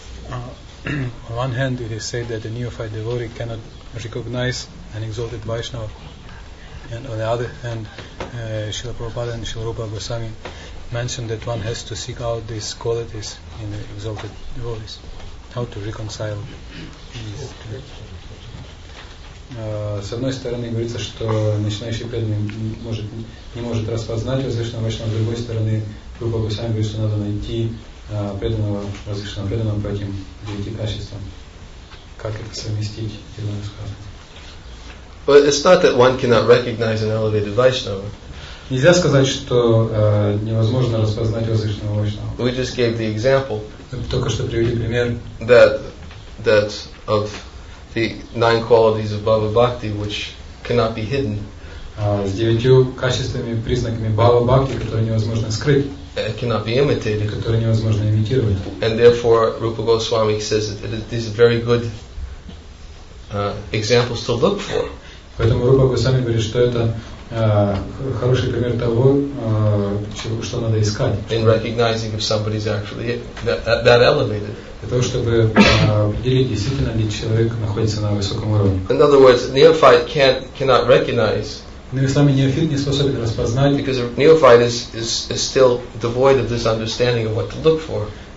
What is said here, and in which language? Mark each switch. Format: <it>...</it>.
<en>On one hand, it is said that a neophyte devotee cannot recognize an exalted Vaishnava, and on the other hand, Srila Prabhupada and Srila Rupa Goswami mentioned that one has to seek out these qualities in the exalted devotees. How to reconcile these two?</en> <ru>С одной стороны, говорится, что начинающий преданный не может распознать возвышенного Вайшнава, с другой стороны, Рупа Госвами говорит, что надо найти преданного, возвышенного преданного по этим девяти качествам. Как это совместить, я думаю, сказать.</ru> <en>It's not that one cannot recognize an elevated Vaishnava.</en> <ru>Нельзя сказать, что невозможно распознать возвышенного Вайшнава.</ru> <en>We just gave the example.</en> <ru>Только что привели пример.</ru> <en>That of the nine qualities of Bhava Bhakti which cannot be hidden.</en> <ru>С девятью качествами, признаками Бхава Бхакти, которые невозможно скрыть.</ru> <en>It cannot be imitated.</en> <ru>Которые невозможно имитировать.</ru> <en>And therefore Rupa Goswami says that these are very good examples to look for.</en> <ru>Поэтому Рупа Госвами говорит, что это хороший пример того, что надо искать.</ru> <en>In recognizing if somebody is actually that elevated.</en> <ru>Для того, чтобы определить, действительно ли человек находится на высоком уровне.</ru> <en>In other words, neophyte cannot recognize Because a neophyte is still devoid of this understanding of what to look for.</en>